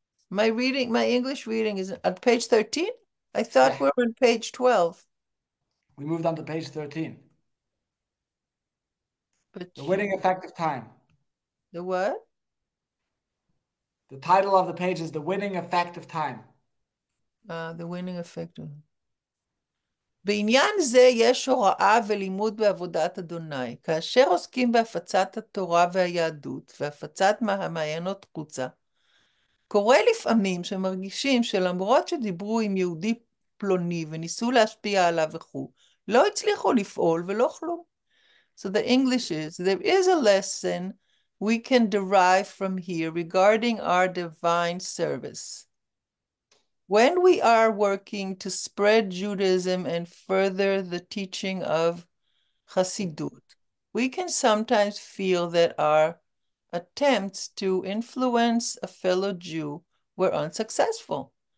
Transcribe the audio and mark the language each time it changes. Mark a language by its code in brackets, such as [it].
[en] My English reading is at page 13. I thought Yeah. we're on page 12. We moved on to page 13. The But winning effect of time. the what? The title of the page is The Winning Effect of Time. The winning effect of [he] בעניין זה יש הוראה ולימוד בעבודת אדוני. כאשר עוסקים בהפצת התורה והיהדות והפצת מעיינות חוצה, קורה לפעמים שמרגישים שלמרות שדיברו עם יהודי פלוני וניסו להשפיע עליו וכו', לא הצליחו לפעול ולא כלום. [en] So the English is, there is a lesson we can derive from here regarding our divine service. When we are working to spread Judaism and further the teaching of Hasidut, we can sometimes feel that our attempts to influence a fellow Jew were unsuccessful.